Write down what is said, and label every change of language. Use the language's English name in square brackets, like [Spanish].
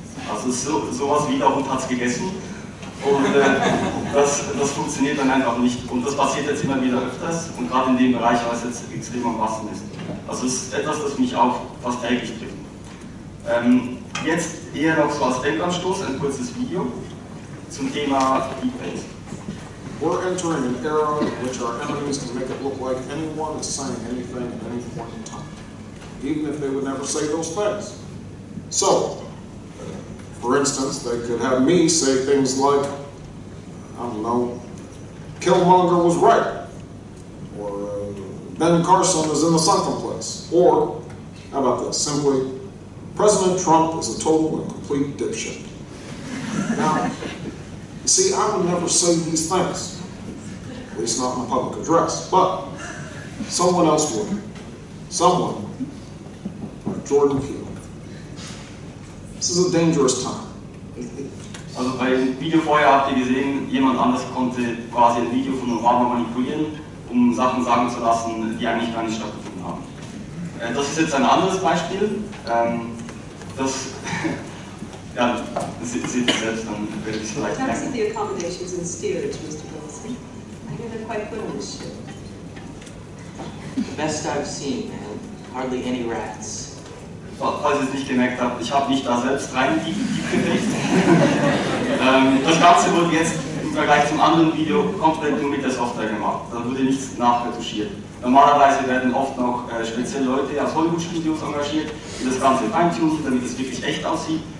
[German] Also sowas wie der Hund hat es gegessen. Und das funktioniert dann einfach nicht. Und das passiert jetzt immer wieder öfters und gerade in dem Bereich, weil es jetzt extrem am Wachsen ist. Also es ist etwas, das mich auch fast täglich trifft. Jetzt eher noch so als Denkanstoß ein kurzes Video zum Thema Deepfakes. [English] We're entering an era which our enemies can make it look like anyone is saying anything at any point in time. Even if they would never say those things. So, for instance, they could have me say things like, I don't know, Killmonger was right, or Ben Carson is in the sunken place, or, how about this, simply, President Trump is a total and complete dipshit. Now, you see, I would never say these things, at least not in a public address, but someone else would. Someone like Jordan Peele. This is a dangerous time. [German] Also bei dem Video vorher habt ihr gesehen, jemand anders konnte quasi ein Video von Obama manipulieren, um Sachen sagen zu lassen, die eigentlich gar nicht stattgefunden haben. Das ist jetzt ein anderes Beispiel. Das ja, seht ihr selbst, dann werde ich es vielleicht merken. [English] Talks of the accommodations and steerage, Mr. Wilson. I hear they're quite good on this ship. The best I've seen, man. Hardly any rats. [German] Falls ihr es nicht gemerkt habt, ich habe nicht da selbst rein gekriegt. Das Ganze wurde jetzt im Vergleich zum anderen Video komplett nur mit der Software gemacht. Da wurde nichts nachretuschiert. Normalerweise werden oft noch spezielle Leute aus Hollywood-Studios engagiert, die das Ganze feintunen, damit es wirklich echt aussieht.